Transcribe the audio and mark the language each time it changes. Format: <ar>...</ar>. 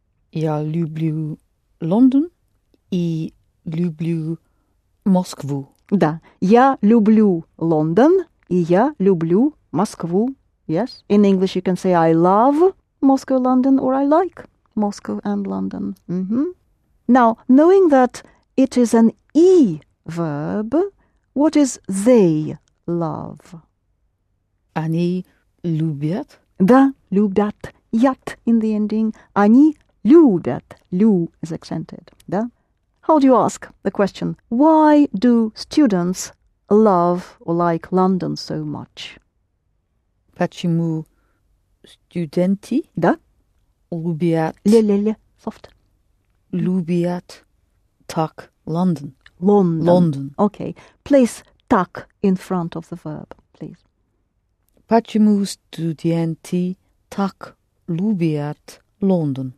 <ru>Я люблю Лондон и люблю Москву. Да. Я люблю Лондон и я люблю Москву.</ru> <en>Yes. In English you can say I love Moscow, London, or I like Moscow and London. Mm-hmm. Now, knowing that it is an E verb, what is they love?</en> <ru>Они любят. Да, любят. Ят</ru> <en>in the ending.</en> <ru>Они любят.</ru> <en>Лю is accented. Да? How do you ask the question? Why do students love or like London so much?</en> <ru>Почему студенты? Да. Любят. Ле-ле-ле. Soft. Любят так London. Лондон. Лондон.</ru> <en>Okay. Place так in front of the verb, please.</en> <ru>Почему студенты так любят Лондон.</ru>